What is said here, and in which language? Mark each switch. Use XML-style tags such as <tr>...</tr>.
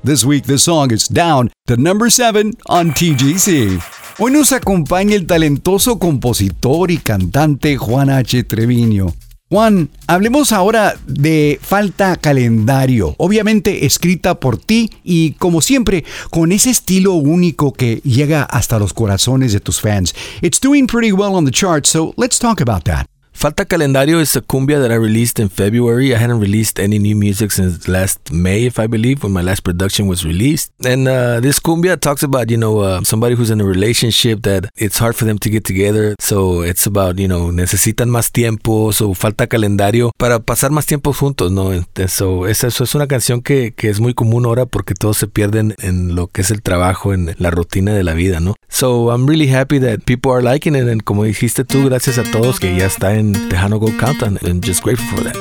<en>This week, the song is Down to number 7 on TGC.</en> <es>Hoy nos acompaña el talentoso compositor y cantante Juan H. Treviño. Juan, hablemos ahora de Falta Calendario, obviamente escrita por ti y, como siempre, con ese estilo único que llega hasta los corazones de tus fans.</es> <en>It's doing pretty well on the charts, so let's talk about that. Falta Calendario is a cumbia that I released in February. I hadn't released any new music since last May, if I believe, when my last production was released. And this cumbia talks about, you know, somebody who's in a relationship that it's hard for them to get together. So it's about, you know,</en> <es>necesitan más tiempo. So falta calendario para pasar más tiempo juntos, ¿no? So eso es una canción que es muy común ahora porque todos se pierden en lo que es el trabajo, en la rutina de la vida, ¿no?</es> <en>So I'm really happy that people are liking it. And</en> <es>como dijiste tú, gracias a todos que ya están en</es> <en>Tejano Gold Countdown, and just grateful for that.</en>